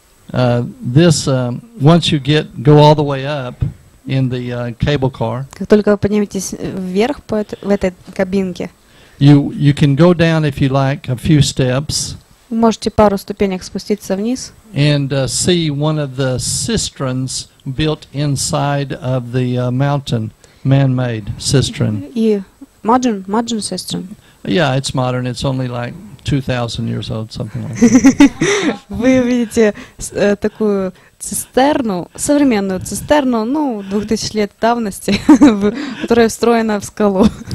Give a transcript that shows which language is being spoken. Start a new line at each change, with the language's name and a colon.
English: Once you go all the way up in the cable car.
Russian: Как только вы подниметесь вверх в этой кабинке.
English: You can go down if you like a few steps.
Russian: Можете пару ступенек спуститься вниз.
English: And see one of the cisterns built inside of the mountain, man-made cistern. Modern cistern. Yeah, it's modern. It's only like 2000 years old, something like that.
Russian: Вы видите такую цистерну, современную цистерну, 2000 лет давности, которая встроена в скалу.